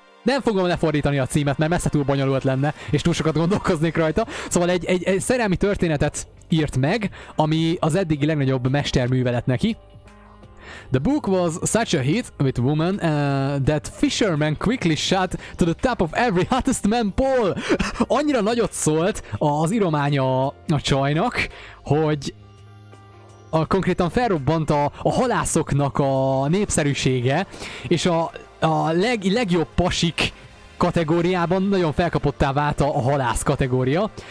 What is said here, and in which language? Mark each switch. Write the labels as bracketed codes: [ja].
[hu] Nem fogom lefordítani a címet, mert messze túl bonyolult lenne, és túl sokat gondolkoznék rajta. Szóval egy szerelmi történetet írt meg, ami az eddigi legnagyobb mesterműve lett neki. [en] The book was such a hit with women that fishermen quickly shot to the top of every hottest man poll. [hu] Annyira nagyot szólt az írománya a csajnak, hogy konkrétan felrobbant a halászoknak a népszerűsége, és a legjobb pasik kategóriában nagyon felkapottá vált a halász kategória.